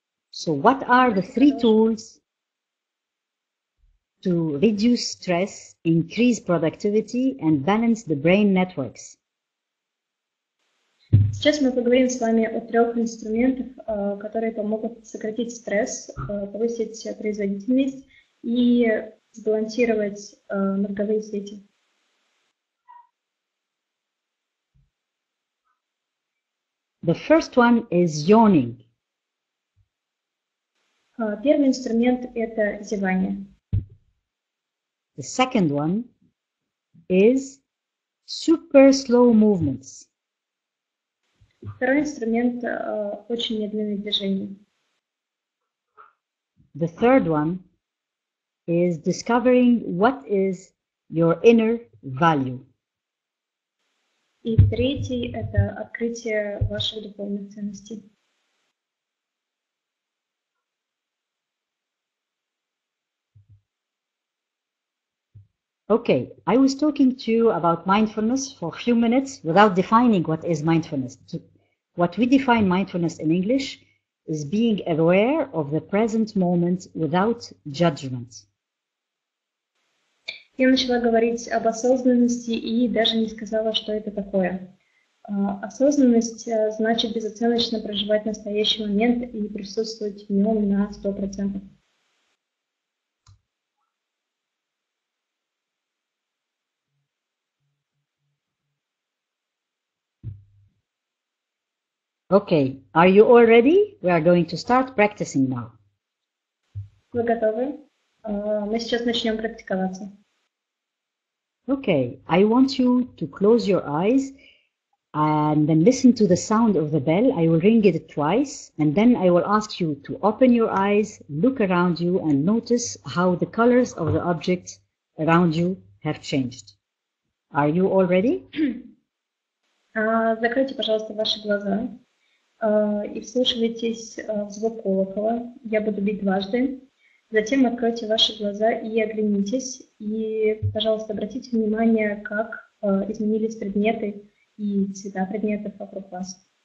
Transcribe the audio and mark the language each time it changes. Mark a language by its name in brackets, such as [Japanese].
[English] So what are the three tools to reduce stress, increase productivity, and balance the brain networks? [Russian] Сейчас мы поговорим с вами о трех инструментах, которые помогут сократить стресс, повысить производительность и сбалансировать мозговые сети. [English] The first one is yawning. [Russian] Первый инструмент – это зевание. [English] The second one is super slow movements. [Russian] Второй инструмент – очень медленные движения. [English] The third one is discovering what is your inner value. [Russian] И третий – это открытие ваших духовных ценностей. [English] Okay, I was talking to you about mindfulness for a few minutes without defining what is mindfulness. What we define mindfulness in English is being aware of the present moment without judgment. [Russian] Я начала говорить об осознанности и даже не сказала, что это такое. Осознанность значит безоценочно проживать настоящий момент и присутствовать в нем на 100%. [English] Okay, are you all ready? We are going to start practicing now. [Russian] Вы готовы? Мы сейчас начнем практиковаться. [English] Okay, I want you to close your eyes and then listen to the sound of the bell. I will ring it twice and then I will ask you to open your eyes, look around you and notice how the colors of the objects around you have changed. Are you all ready? [Russian] Закройте, пожалуйста, ваши глаза. И вслушивайтесь в звук колокола. Я буду бить дважды. Затем откройте ваши глаза и оглянитесь. И, пожалуйста, обратите внимание, как изменились предметы и цвета предметов вокруг вас.